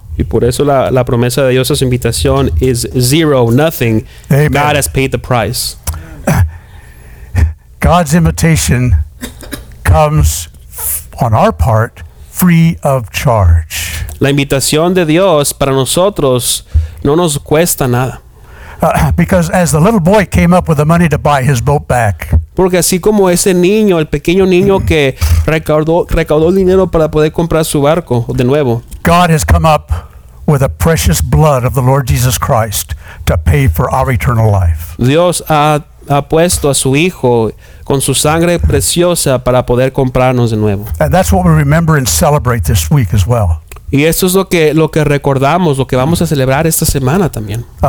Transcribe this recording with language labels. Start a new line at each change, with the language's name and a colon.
Spanish: Y por eso la promesa de Dios, esa invitación,
English: is zero, nothing. Amen. God has paid the price. God's invitation comes on our part free of charge.
Spanish: La invitación de Dios para nosotros no nos cuesta nada.
English: Because as the little boy came up with the money to buy his boat back.
Spanish: Porque así como ese niño, el pequeño niño que recaudó dinero para poder comprar su barco de nuevo.
English: God has come up with the precious blood of the Lord Jesus Christ to pay for our eternal life.
Spanish: Dios ha puesto a su hijo con su sangre preciosa para poder comprarnos de nuevo.
English: And that's what we remember and celebrate this week as well.
Spanish: Y esto es lo que recordamos, lo que vamos a celebrar esta semana también.